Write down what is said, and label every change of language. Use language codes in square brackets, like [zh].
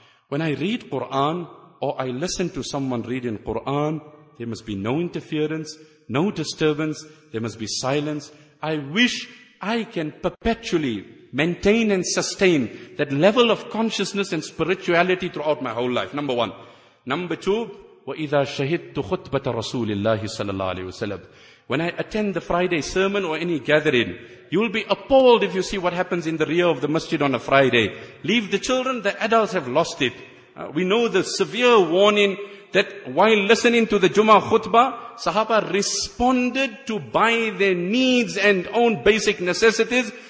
[en] When I read Quran or I listen to someone reading Quran, there must be no interference, no disturbance, there must be silence. I wish I can perpetually maintain and sustain that level of consciousness and spirituality throughout my whole life. Number one. Number two, [ar] وَإِذَا شَهِدْتُ خُطْبَةَ رَسُولِ اللَّهِ صَلَى اللَّهُ عَلَيْهِ وَسَلَّمَ. [en] When I attend the Friday sermon or any gathering, you will be appalled if you see what happens in the rear of the masjid on a Friday. Leave the children, the adults have lost it. We know the severe warning that while listening to the Jummah khutbah, Sahaba responded to buy their needs and own basic necessities.